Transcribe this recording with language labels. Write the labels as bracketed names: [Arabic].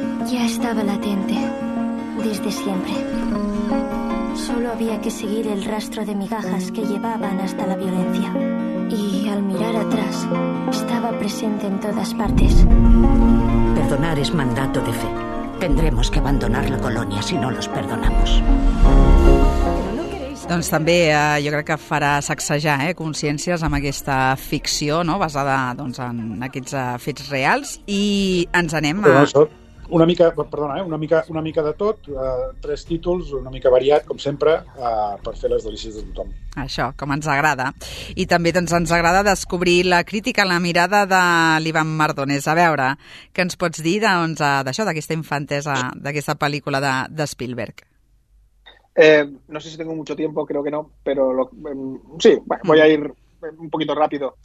[Spanish] ya estaba latente desde siempre. Solo había que seguir el rastro de migajas que llevaban hasta la violencia. Y al mirar atrás, estaba presente en todas partes. Perdonar es mandato de fe. Tendremos que abandonar la colonia si no los perdonamos. [Catalan] Doncs també jo crec que farà sacsejar consciències amb aquesta ficció, no?, basada doncs, en aquests fets reals. I ens anem a... Una mica, perdona, una mica de tot, tres títols, una mica variat, com sempre, per fer les delícies de tothom. Això, com ens agrada. I també doncs, ens agrada descobrir la crítica en la mirada de l'Ivan Mardones. A veure, què ens pots dir doncs, d'això, d'aquesta infantesa, d'aquesta pel·lícula de Spielberg? [Spanish] No sé si tengo mucho tiempo, creo que no, pero lo, sí, bueno, voy a ir un poquito rápido.